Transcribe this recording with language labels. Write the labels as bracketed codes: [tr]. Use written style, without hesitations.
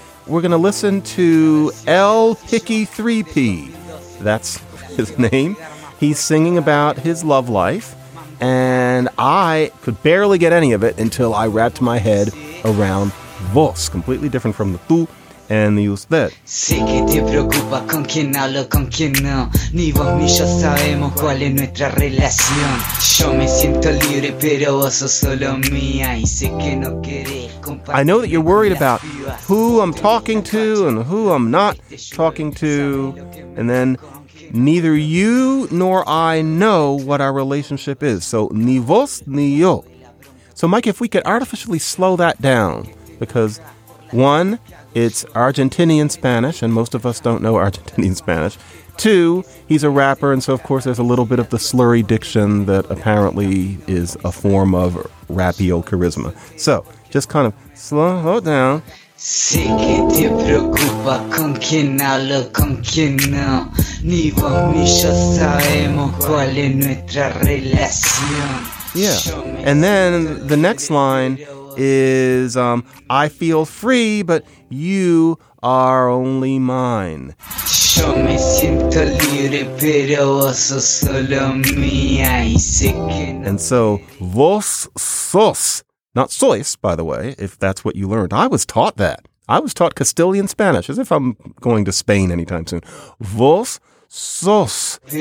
[en] We're going to listen to El Picky 3P. That's his name. He's singing about his love life. And I could barely get any of it until I wrapped my head around vos, completely different from the tú and the usted. [es] Sé que te preocupa con quien hablo, con quien no. Ni vos ni yo sabemos cuál es nuestra relación. Yo me siento libre, pero vos sos solo mía. Y sé que no querés compartir. [en] I know that you're worried about who I'm talking to and who I'm not talking to. And then neither you nor I know what our relationship is. So [es] ni vos ni yo. [en] So Mike, if we could artificially slow that down, because one, it's Argentinian Spanish, and most of us don't know Argentinian Spanish. Two, he's a rapper, and so, of course, there's a little bit of the slurry diction that apparently is a form of rappy old charisma. So, just kind of slow it down. [es] Sé que te preocupa con quien hablo, con quien no. Ni vos ni yo sabemos cuál es nuestra relación. [en] Yeah, and then the next line is, I feel free, but you are only mine. [es] Yo me siento libre, pero vos sos solo mía, y sé que no. [en] And so, vos sos, not sois, by the way, if that's what you learned. I was taught that. I was taught Castilian Spanish, as if I'm going to Spain anytime soon. [es] Vos sos.